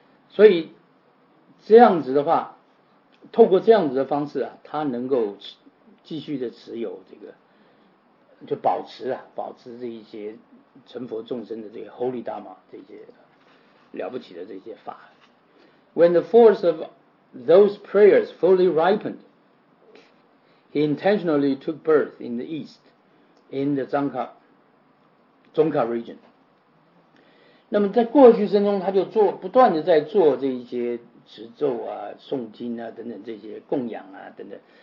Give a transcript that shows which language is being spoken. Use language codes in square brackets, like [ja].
[zh] 所以这样子的话，透过这样子的方式啊，他能够继续的持有这个，就保持啊，保持这一些成佛众生的这个 Holy Dharma 这些了不起的这些法。 [en] When the force of those prayers fully ripened, he intentionally took birth in the east, in the Dzongka region. [zh] 那么在过去生中，他就做不断的在做这一些持咒啊、诵经啊等等这些供养啊等等。